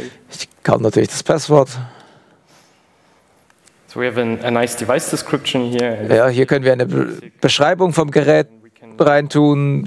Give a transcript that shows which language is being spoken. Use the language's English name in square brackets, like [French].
[German] Ich kann natürlich das Passwort. [English] So we have a nice device description here. [German] Ja, hier können wir eine Beschreibung vom Gerät reintun.